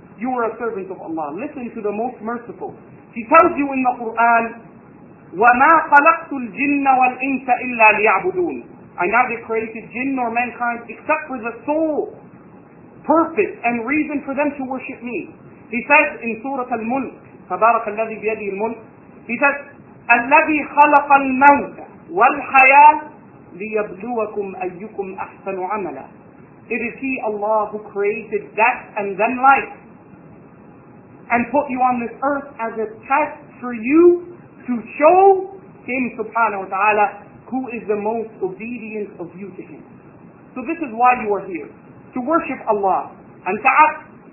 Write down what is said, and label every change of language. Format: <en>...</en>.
<en>You are a servant of Allah. Listen to the Most Merciful. He tells you in the Quran,</en> <ar>وَمَا خَلَقْتُ الْجِنَّ وَالْإِنْسَ إِلَّا لِيَعْبُدُونَ.</ar> <en>I neither created jinn nor mankind except for the sole purpose and reason for them to worship me. He says in Surah Al-Mulk,</en> <ar>تبارك الذي بيده الملك,</ar> <en>he says,</en> <ar>الَّذِي خَلَقَ الْمَوْتَ وَالْحَيَاةِ لِيَبْلُوَكُمْ أَيُّكُمْ أَحْسَنُ عَمَلًا.</ar> <en>It is He, Allah, who created death and then life, and put you on this earth as a test for you to show Him, subhanahu wa ta'ala, who is the most obedient of you to Him. So this is why you are here, to worship Allah, and to ask.</en>